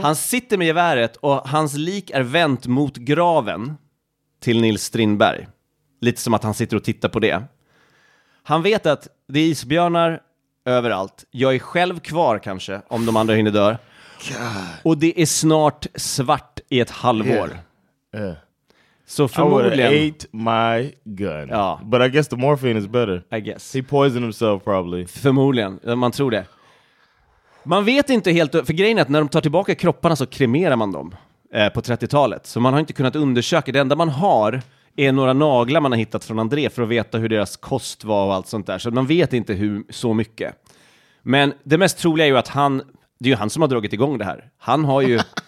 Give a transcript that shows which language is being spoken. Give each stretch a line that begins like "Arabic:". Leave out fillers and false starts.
Swedish: Han sitter med geväret och hans lik är vänt mot graven till Nils Strindberg. Lite som att han sitter och tittar på det. Han vet att det är isbjörnar överallt. Jag är själv kvar kanske, om de andra hinner dö. Och det är snart svart i ett halvår.
English: Yeah. Yeah.
Swedish: So förmodligen...
English: I would have ate my gun.
Swedish: Ja.
English: But I guess the morphine is better. I guess. He poisoned himself probably.
Swedish: Förmodligen, man tror det. Man vet inte helt, för grejen är att när de tar tillbaka kropparna så kremerar man dem på 30-talet. Så man har inte kunnat undersöka. Det enda man har är några naglar man har hittat från André för att veta hur deras kost var och allt sånt där. Så man vet inte hur så mycket. Men det mest troliga är ju att han, det är ju han som har dragit igång det här. Han har ju...